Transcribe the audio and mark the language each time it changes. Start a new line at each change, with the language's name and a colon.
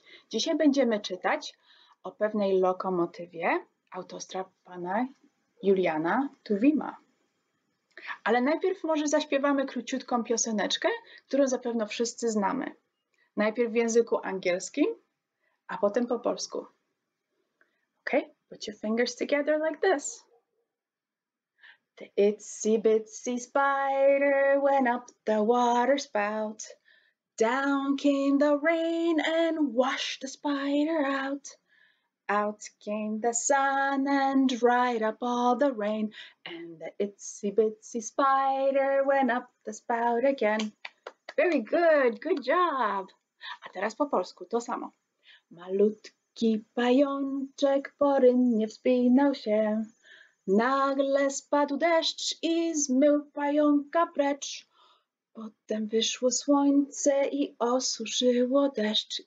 Polish: Dzisiaj będziemy czytać o pewnej lokomotywie autostrad pana Juliana Tuwima. Ale najpierw może zaśpiewamy króciutką pioseneczkę, którą zapewne wszyscy znamy. Najpierw w języku angielskim, a potem po polsku.
English: Okay, put your fingers together like this. The itsy bitsy spider went up the water spout. Down came the rain and washed the spider out. Out came the sun and dried up all the rain. And the itsy bitsy spider went up the spout again. Very good, good job.
Polish: A teraz po polsku to samo. Malutki pajączek porynnie wspinał się. Nagle spadł deszcz i zmył pająka precz. Potem wyszło słońce i osuszyło deszcz.